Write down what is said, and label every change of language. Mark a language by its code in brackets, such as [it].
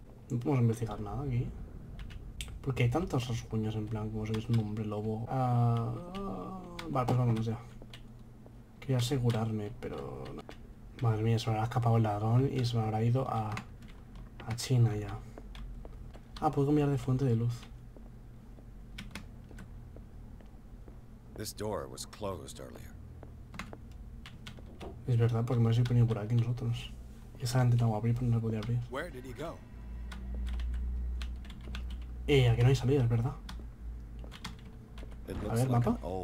[es] No podemos investigar nada aquí. Porque hay tantos rasguños en plan como si es un hombre lobo. Vale, pues vámonos ya. Quería asegurarme, pero... Madre mía, se me habrá escapado el ladrón y se me habrá ido a China ya. Ah, puedo cambiar de fuente de luz. [en] This door was closed earlier. [es] Es verdad, porque me habéis venido por aquí nosotros. Esa la intentamos abrir, pero no la podía abrir. [en] Where did he go? [es] Aquí no hay salida, es verdad. A ver, mapa.